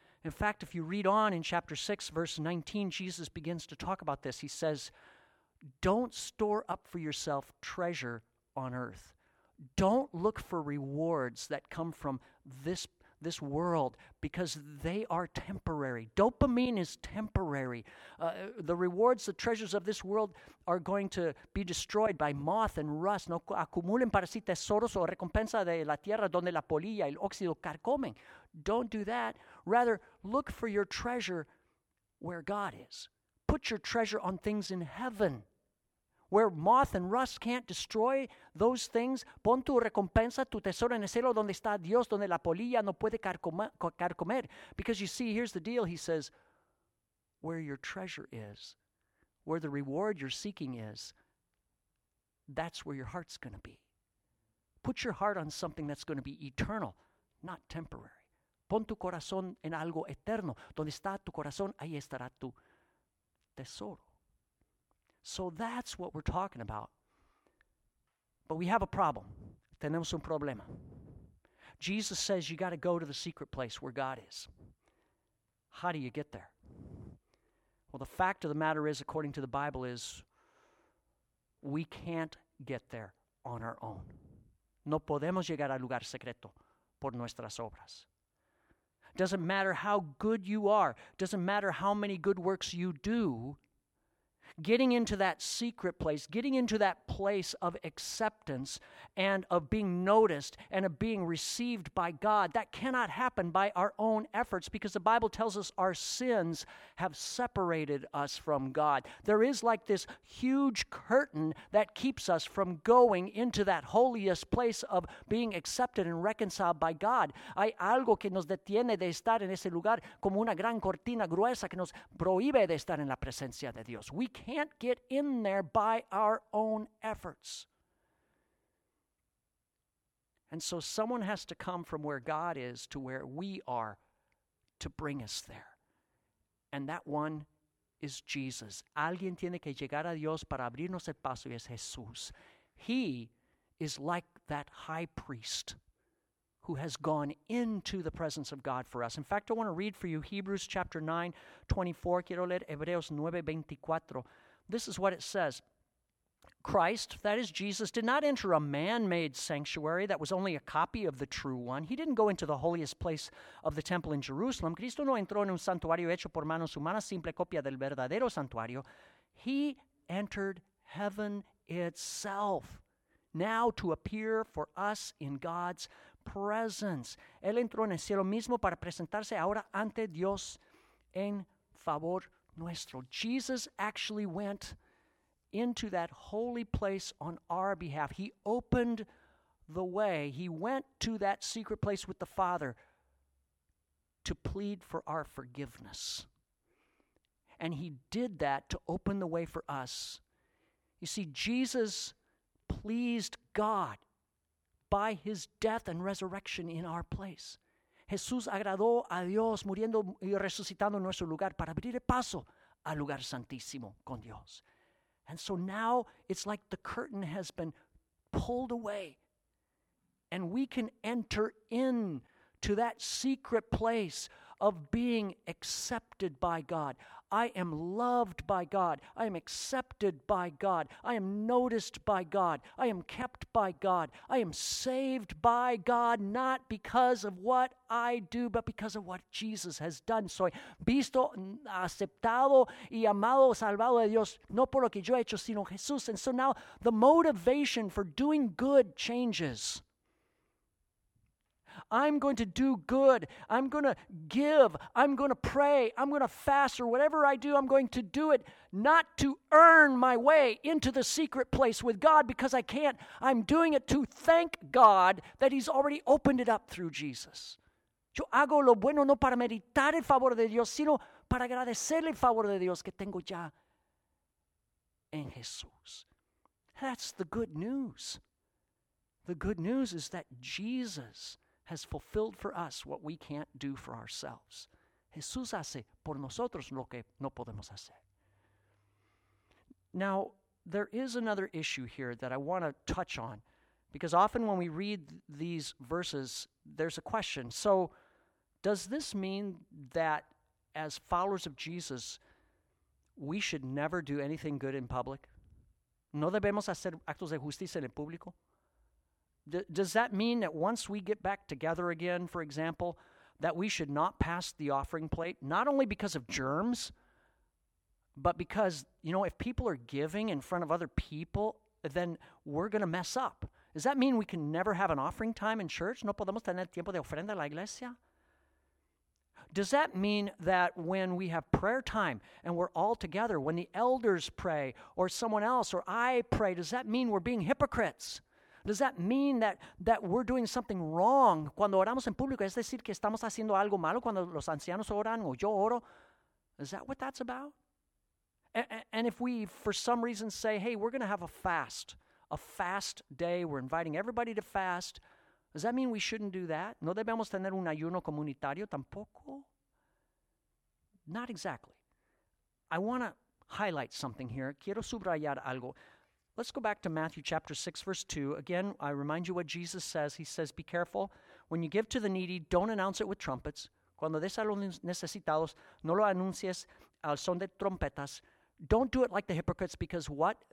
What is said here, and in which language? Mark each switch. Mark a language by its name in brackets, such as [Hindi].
[English] In fact, if you read on in chapter 6, verse 19, Jesus begins to talk about this. He says, don't store up for yourself treasure on earth. Don't look for rewards that come from this world, because they are temporary. Dopamine is temporary. The rewards, the treasures of this world are going to be destroyed by moth and rust. [Spanish] No acumulen para sí tesoros o recompensa de la tierra donde la polilla y el óxido carcomen. [English] Don't do that. Rather, look for your treasure where God is. Put your treasure on things in heaven, where moth and rust can't destroy those things. [Spanish] Pon tu recompensa, tu tesoro en el cielo donde está Dios, donde la polilla no puede carcomer. [English] Because you see, here's the deal. He says, where your treasure is, where the reward you're seeking is, that's where your heart's going to be. Put your heart on something that's going to be eternal, not temporary. [Spanish] Pon tu corazón en algo eterno. Donde está tu corazón, ahí estará tu tesoro. [English] So that's what we're talking about. But we have a problem. [Spanish] Tenemos un problema. [English] Jesus says you got to go to the secret place where God is. How do you get there? Well, the fact of the matter is, according to the Bible, is we can't get there on our own. [Spanish] No podemos llegar al lugar secreto por nuestras obras. [English] Doesn't matter how good you are. Doesn't matter how many good works you do. Getting into that secret place, getting into that place of acceptance and of being noticed and of being received by God, that cannot happen by our own efforts, because the Bible tells us our sins have separated us from God. There is like this huge curtain that keeps us from going into that holiest place of being accepted and reconciled by God. [Spanish] Hay algo que nos detiene de estar en ese lugar como una gran cortina gruesa que nos prohíbe de estar en la presencia de Dios. [English] We can't get in there by our own efforts. And so someone has to come from where God is to where we are to bring us there. And that one is Jesus. [Spanish] Alguien tiene que llegar a Dios para abrirnos el paso y es Jesús. [English] He is like that high priest who has gone into the presence of God for us. In fact, I want to read for you Hebrews chapter 9, 24. [Spanish] Quiero leer Hebreos 9, 24. [English] This is what it says. Christ, that is Jesus, did not enter a man-made sanctuary that was only a copy of the true one. He didn't go into the holiest place of the temple in Jerusalem. [Spanish] Cristo no entró en un santuario hecho por manos humanas, simple copia del verdadero santuario. [English] He entered heaven itself, now to appear for us in God's presence. [Spanish] Él entró en el cielo mismo para presentarse ahora ante Dios en favor nuestro. [English] Jesus actually went into that holy place on our behalf. He opened the way. He went to that secret place with the Father to plead for our forgiveness. And he did that to open the way for us. You see, Jesus pleased God by his death and resurrection in our place. [Spanish] Jesús agradó a Dios muriendo y resucitando en nuestro lugar para abrir el paso al lugar santísimo con Dios. [English] And so now it's like the curtain has been pulled away and we can enter in to that secret place of being accepted by God. I am loved by God. I am accepted by God. I am noticed by God. I am kept by God. I am saved by God, not because of what I do, but because of what Jesus has done. [Spanish] Soy visto, aceptado y amado, salvado de Dios, no por lo que yo he hecho, sino Jesús. [English] And so now the motivation for doing good changes. I'm going to do good. I'm going to give. I'm going to pray. I'm going to fast, or whatever I do, I'm going to do it not to earn my way into the secret place with God because I can't. I'm doing it to thank God that he's already opened it up through Jesus. [Spanish] Yo hago lo bueno no para meritar el favor de Dios, sino para agradecerle el favor de Dios que tengo ya en Jesús. [English] That's the good news. The good news is that Jesus has fulfilled for us what we can't do for ourselves. [Spanish] Jesús hace por nosotros lo que no podemos hacer. [English] Now, there is another issue here that I want to touch on, because often when we read these verses, there's a question. So, does this mean that as followers of Jesus, we should never do anything good in public? [Spanish] ¿No debemos hacer actos de justicia en el público? [English] Does that mean that once we get back together again, for example, that we should not pass the offering plate, not only because of germs, but because, you know, if people are giving in front of other people, then we're going to mess up? Does that mean we can never have an offering time in church? [Spanish] No podemos tener tiempo de ofrenda en la iglesia? [English] Does that mean that when we have prayer time and we're all together, when the elders pray or someone else or I pray, does that mean we're being hypocrites? Does that mean that we're doing something wrong [Spanish] cuando oramos en público? Es decir, que estamos haciendo algo malo cuando los ancianos oran o yo oro. [English] Is that what that's about? And if we, for some reason, say, hey, we're going to have a fast day, we're inviting everybody to fast, does that mean we shouldn't do that? [Spanish] ¿No debemos tener un ayuno comunitario tampoco? [English] Not exactly. I want to highlight something here. [Spanish] Quiero subrayar algo. [English] Let's go back to Matthew chapter 6, verse 2. Again, I remind you what Jesus says. He says, be careful. When you give to the needy, don't announce it with trumpets. [Spanish] Cuando des a los necesitados, no lo anuncies al son de trompetas. [English] Don't do it like the hypocrites, because what?